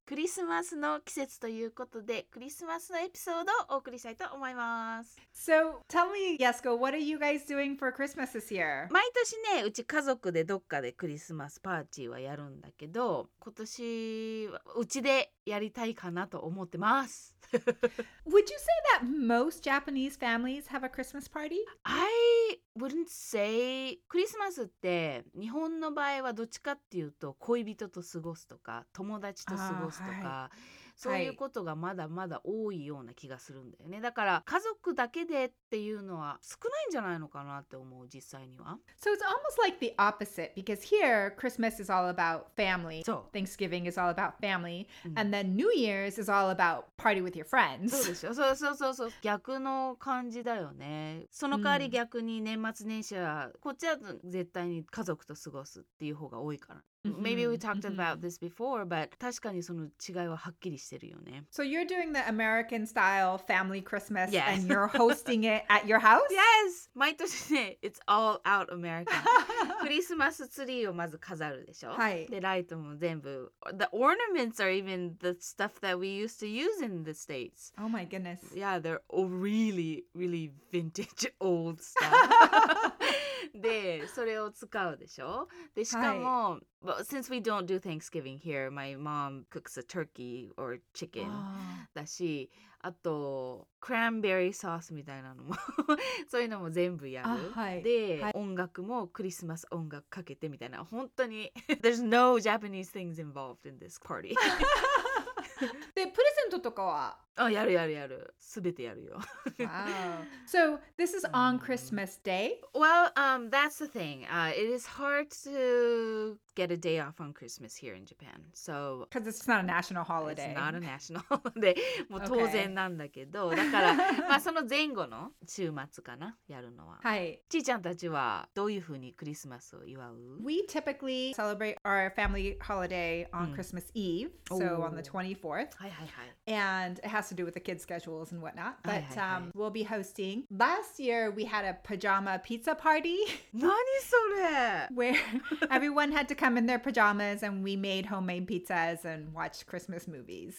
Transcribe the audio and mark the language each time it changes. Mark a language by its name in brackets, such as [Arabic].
[Japanese] クリスマスの季節ということで、クリスマスのエピソードをお送りしたいと思います。 [English] So tell me, Yasuko, what are you guys doing for Christmas this year? [Japanese] 毎年ね、うち家族でどっかでクリスマスパーティーはやるんだけど、今年はうちでやりたいかなと思ってます。 [English] Would you say that most Japanese families have a Christmas party? I wouldn't say. [Japanese] クリスマスって日本の場合はどっちかっていうと恋人と過ごすとか友達と過ごすとか、はい、そういうことがまだまだ多いような気がするんだよね。だから家族だけでっていうのは少ないんじゃないのかなって思う、実際には。 [English] So it's almost like the opposite, because here Christmas is all about family. [Japanese] そう。 [English] Thanksgiving is all about family. And then New Year's is all about party with your friends. [Japanese] そうでしょ。そう。逆の感じだよね。その代わり逆に年末年始はこっちは絶対に家族と過ごすっていう方が多いから。 [English] Maybe we talked about this before, but [Japanese] 確かにその違いははっきりしてるよね。 [English] So you're doing the American style family Christmas、yes. and you're hosting it at your house? Yes! [Japanese] 毎年ね、 [English] it's all out American. [Japanese] クリスマスツリーをまず飾るでしょ、はい、で、ライトも全部。 [English] The ornaments are even the stuff that we used to use in the States. Oh my goodness. Yeah, they're all really, really vintage old stuff. [Japanese] で、それを使うでしょ。で、しかも、はい、 [English] Well, since we don't do Thanksgiving here, my mom cooks a turkey or chicken. [Japanese] だし、あと、cranberry sauce みたいなのも、そういうのも全部やる。はい、で、はい、音楽もクリスマス音楽かけてみたいな。本当に、 [English] there's no Japanese things involved in this party. [Japanese] で、プレゼントとかは？あ、やるやるやる。すべてやるよ。 [English] wow. So, this is on Christmas Day? Well, that's the thing. It is hard to get a day off on Christmas here in Japan. So, because it's not a national holiday. It's not a national holiday. [Japanese] もう当然なんだけど。だから、まあその前後の週末かな、やるのは。はい。ちーちゃんたちはどういうふうにクリスマスを祝う？ [English] We typically celebrate our family holiday on Christmas Eve. So, on the 24th. [Japanese] はいはいはい。 [English] And it has to do with the kids' schedules and whatnot. But [Japanese] はいはいはい。 [English] We'll be hosting. Last year, we had a pajama pizza party. [Japanese] 何それ？ [English] Where everyone had to come in their pajamas and we made homemade pizzas and watched Christmas movies.